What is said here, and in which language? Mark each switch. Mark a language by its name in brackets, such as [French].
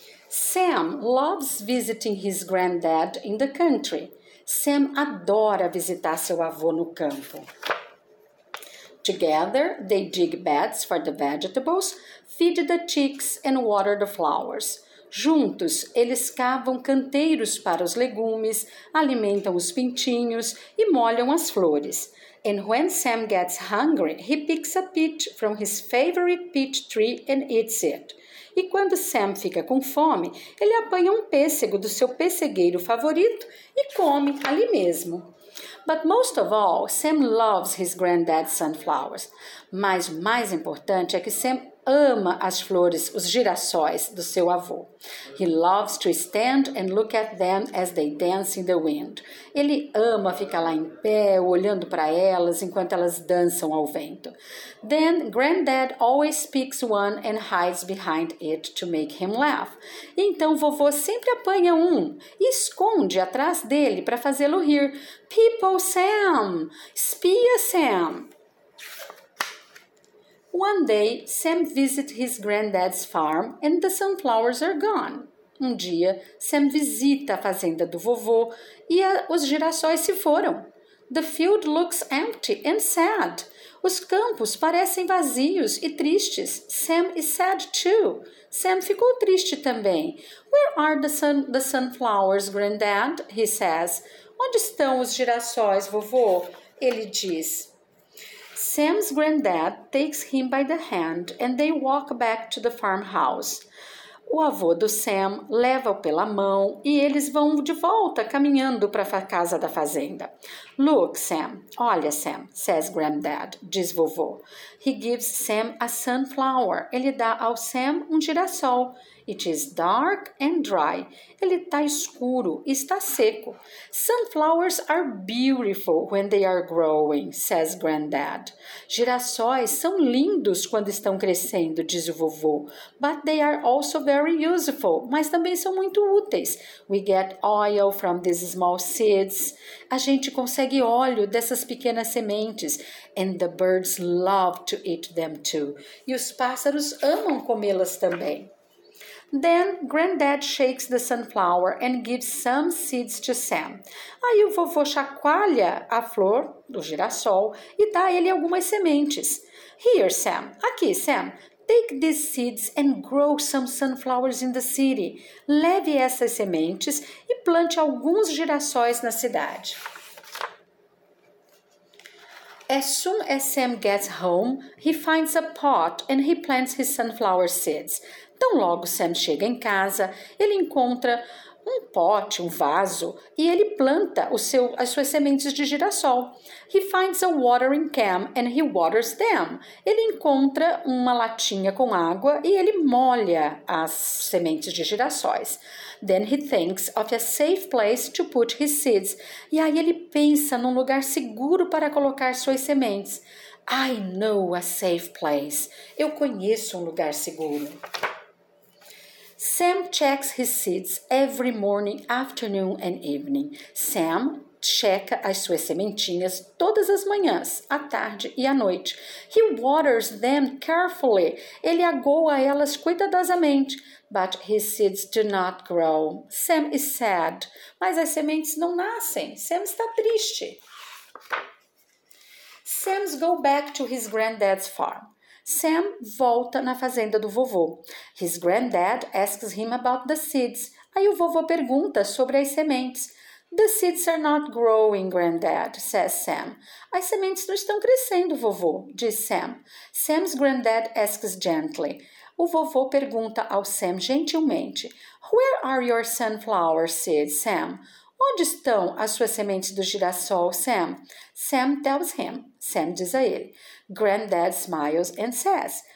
[English] Sam loves visiting his granddad in the country. [Portuguese] Sam adora visitar seu avô no campo. [English] Together, they dig beds for the vegetables, feed the chicks and water the flowers. [Portuguese] Juntos, eles cavam canteiros para os legumes, alimentam os pintinhos e molham as flores. [English] And when Sam gets hungry, he picks a peach from his favorite peach tree and eats it. [Portuguese] E quando Sam fica com fome, ele apanha um pêssego do seu pessegueiro favorito e come ali mesmo. [English] But most of all, Sam loves his granddad's sunflowers. [Portuguese] Mas o mais importante é que Sam ama as flores, os girassóis do seu avô. [English] He loves to stand and look at them as they dance in the wind. [Portuguese] Ele ama ficar lá em pé, olhando para elas enquanto elas dançam ao vento. [English] Then, granddad always picks one and hides behind it to make him laugh. [Portuguese] Então, vovô sempre apanha um e esconde atrás dele para fazê-lo rir. [English] People, [Portuguese] Sam! Espia, Sam! [English] One day, Sam visits his granddad's farm and the sunflowers are gone. [Portuguese] Um dia, Sam visita a fazenda do vovô e os girassóis se foram. [English] The field looks empty and sad. [Portuguese] Os campos parecem vazios e tristes. [English] Sam is sad too. [Portuguese] Sam ficou triste também. [English] Where are the sunflowers, granddad? He says. [Portuguese] Onde estão os girassóis, vovô? Ele diz. [English] Sam's granddad takes him by the hand and they walk back to the farmhouse. [Portuguese] O avô do Sam leva-o pela mão e eles vão de volta caminhando para a casa da fazenda. [English] Look, Sam. [Portuguese] Olha, Sam, [English] says granddad, [Portuguese] diz vovô. [English] He gives Sam a sunflower. [Portuguese] Ele dá ao Sam um girassol. [English] It is dark and dry. [Portuguese] Ele está escuro e está seco. [English] Sunflowers are beautiful when they are growing, says granddad. [Portuguese] Girassóis são lindos quando estão crescendo, diz o vovô. [English] But they are also very useful. [Portuguese] Mas também são muito úteis. [English] We get oil from these small seeds. [Portuguese] A gente consegue óleo dessas pequenas sementes. [English] And the birds love to eat them too. [Portuguese] E os pássaros amam comê-las também. [English] Then, granddad shakes the sunflower and gives some seeds to Sam. [Portuguese] Aí o vovô chacoalha a flor do girassol e dá a ele algumas sementes. [English] Here, Sam. [Portuguese] Aqui, Sam. [English] Take these seeds and grow some sunflowers in the city. [Portuguese] Leve essas sementes e plante alguns girassóis na cidade. [English] As soon as Sam gets home, he finds a pot and he plants his sunflower seeds. [Portuguese] Tão logo Sam chega em casa, ele encontra um pote, um vaso, e ele planta as suas sementes de girassol. [English] He finds a watering can and he waters them. [Portuguese] Ele encontra uma latinha com água e ele molha as sementes de girassóis. [English] Then he thinks of a safe place to put his seeds. [Portuguese] E aí ele pensa num lugar seguro para colocar suas sementes. [English] I know a safe place. [Portuguese] Eu conheço um lugar seguro. [English] Sam checks his seeds every morning, afternoon and evening. [Portuguese] Sam checa as suas sementinhas todas as manhãs, à tarde e à noite. [English] He waters them carefully. [Portuguese] Ele aguou elas cuidadosamente. [English] But his seeds do not grow. Sam is sad. [Portuguese] Mas as sementes não nascem. Sam está triste. [English] Sam goes back to his granddad's farm. [Portuguese] Sam volta na fazenda do vovô. [English] His granddad asks him about the seeds. [Portuguese] Aí o vovô pergunta sobre as sementes. [English] The seeds are not growing, granddad, says Sam. [Portuguese] As sementes não estão crescendo, vovô, diz Sam. [English] Sam's granddad asks gently. [Portuguese] O vovô pergunta ao Sam gentilmente. [English] Where are your sunflower seeds, Sam? [Portuguese] Onde estão as suas sementes do girassol, Sam? [English] Sam tells him. [Portuguese] Sam diz a ele. [English] Granddad smiles and says,